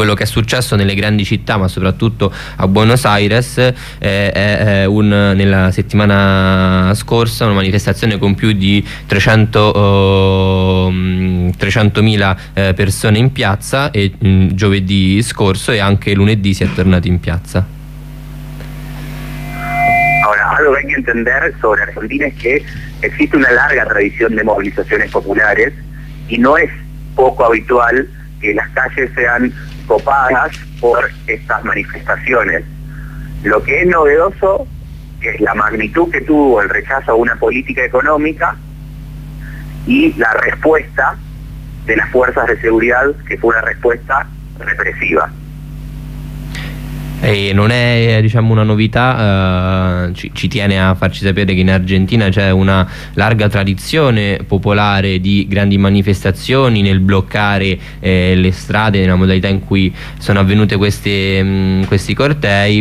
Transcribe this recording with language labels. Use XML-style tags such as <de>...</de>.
<it>Quello che è successo nelle grandi città, ma soprattutto a Buenos Aires, nella settimana scorsa, una manifestazione con più di 300.000 persone in piazza, e giovedì scorso, e anche lunedì si è tornati in piazza.</it> <es>Ora, algo che hay que entender sobre Argentina es que existe una larga tradición de movilizaciones populares, y no es poco habitual que las calles sean copadas por estas manifestaciones. Lo que es novedoso es la magnitud que tuvo el rechazo a una política económica y la respuesta de las fuerzas de seguridad, que fue una respuesta represiva.</es> <it>E non è, diciamo, una novità, ci tiene a farci sapere che in Argentina c'è una larga tradizione popolare di grandi manifestazioni nel bloccare le strade, nella modalità in cui sono avvenute questi cortei.</it>